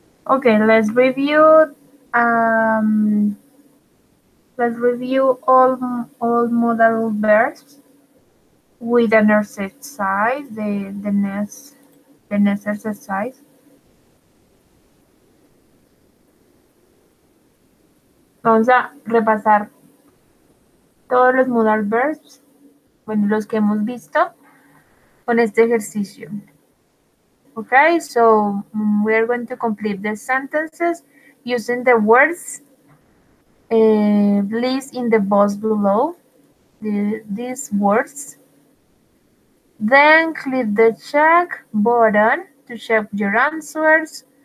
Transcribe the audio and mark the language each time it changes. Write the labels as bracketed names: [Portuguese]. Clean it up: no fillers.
[English] Okay, let's review all modal verbs with an exercise, the next exercise. [Spanish] Vamos a repasar todos los modal verbs, bueno, los que hemos visto con este ejercicio. [English] Okay, so we are going to complete the sentences using the words please in the box below, these words. Then click the check button to check your answers.